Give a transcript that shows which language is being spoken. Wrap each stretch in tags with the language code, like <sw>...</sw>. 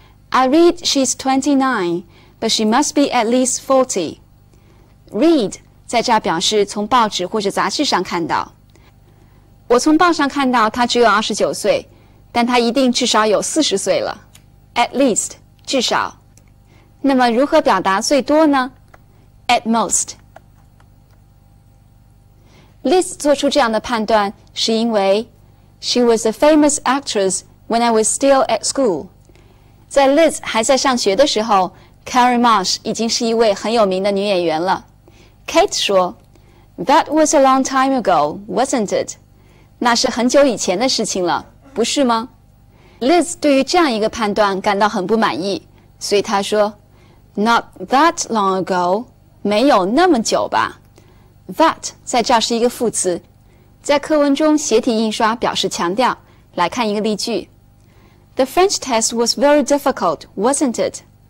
<en>I read she's 29, but she must be at least 40.</en> <zh>Read 在这表示从报纸或者杂志上看到。我从报上看到她只有29岁，但她一定至少有40岁了。</zh> <en>At least,</en> <zh>至少。那么如何表达最多呢？</zh> <en>At most。 List</en> <zh>做出这样的判断是因为</zh> <en>She was a famous actress when I was still at school.</en> <zh>在 Liz 还在上学的时候， Carrie Marsh 已经是一位很有名的女演员了。</zh> <en>Kate</en> <zh>说</zh> <en>That was a long time ago, wasn't it?</en> <zh>那是很久以前的事情了，不是吗？Liz 对于这样一个判断感到很不满意，所以她说</zh> <en>Not that long ago,</en> <zh>没有那么久吧。 That 在这是一个副词，在课文中斜体印刷表示强调。来看一个例句</zh> <en>：The French test was very difficult, wasn't it?</en>